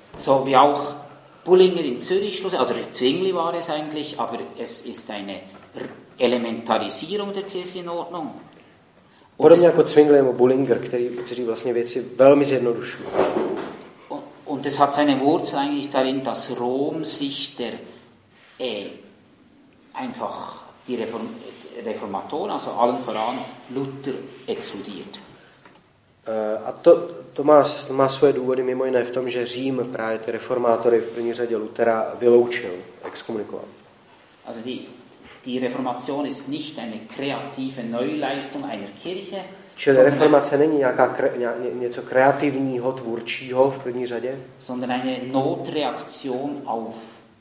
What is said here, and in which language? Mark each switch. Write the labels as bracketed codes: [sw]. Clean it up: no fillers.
[de] So wie auch Bullinger in Zürich, also Zwingli war es eigentlich, aber es ist eine Elementarisierung der Kirchenordnung. [cs] Podobně jako Zwingli nebo Bullinger, kteří vlastně věci velmi zjednodušují. [de] Und es hat seine Wurzel eigentlich darin, dass Rom sich der einfach die Reformatoren, also allen voran Luther, exkludiert. [cs] A to má svoje důvody mimo jiné v tom, že Řím právě ty reformátory v první řadě Lutera vyloučil, exkomunikoval. [de] Also die Reformation ist nicht eine kreative Neuleistung einer Kirche. [cs] Čili reformace není nějaká něco kreativního, tvůrčího v první řadě, [de] sondern eine Notreaktion auf